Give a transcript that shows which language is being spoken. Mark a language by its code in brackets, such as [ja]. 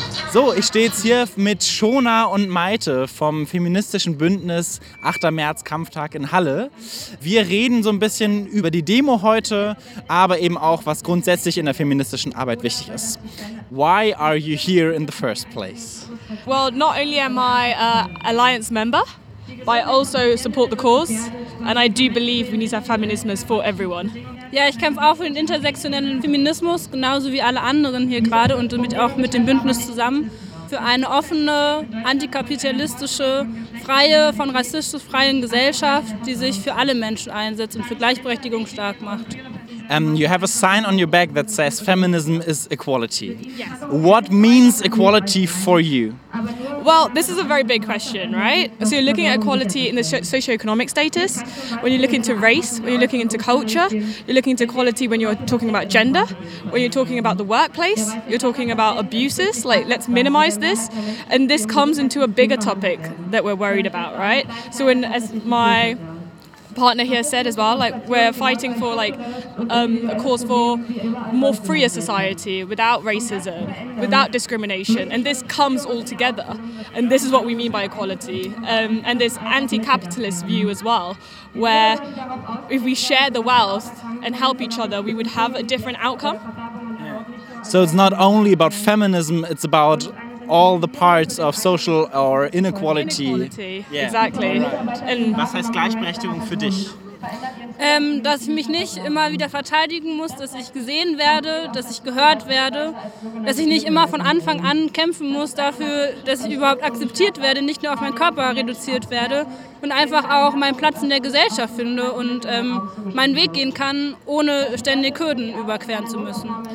[de] So, ich stehe jetzt hier mit Shona und Maite vom feministischen Bündnis 8. März Kampftag in Halle. Wir reden so ein bisschen über die Demo heute, aber eben auch, was grundsätzlich in der feministischen Arbeit wichtig ist. [en] Why are you here in the first place? Well, not only am I an alliance member, but I also support the cause. And I do believe we need to have feminism for everyone. [de] Ja, ich kämpfe auch für den intersektionellen Feminismus, genauso wie alle anderen hier gerade und damit auch mit dem Bündnis zusammen, für eine offene, antikapitalistische, freie, von rassistisch freien Gesellschaft, die sich für alle Menschen einsetzt und für Gleichberechtigung stark macht. [en] You have a sign on your back that says feminism is equality. What means equality for you? Well, this is a very big question, right? So you're looking at equality in the socioeconomic status, when you look into race, when you're looking into culture, you're looking into equality when you're talking about gender, when you're talking about the workplace, you're talking about abuses, like let's minimize this. And this comes into a bigger topic that we're worried about, right? So when, as my partner here said as well, like we're fighting for like a cause for more freer society without racism, without discrimination, and this comes all together, and this is what we mean by equality, and this anti-capitalist view as well, where if we share the wealth and help each other, we would have a different outcome. So it's not only about feminism, it's about all the parts of social or inequality. Yeah. Exactly. And [de] was heißt Gleichberechtigung für dich? Dass ich mich nicht immer wieder verteidigen muss, dass ich gesehen werde, dass ich gehört werde, dass ich nicht immer von Anfang an kämpfen muss dafür, dass ich überhaupt akzeptiert werde, nicht nur auf meinen Körper reduziert werde und einfach auch meinen Platz in der Gesellschaft finde und meinen Weg gehen kann, ohne ständig Hürden überqueren zu müssen.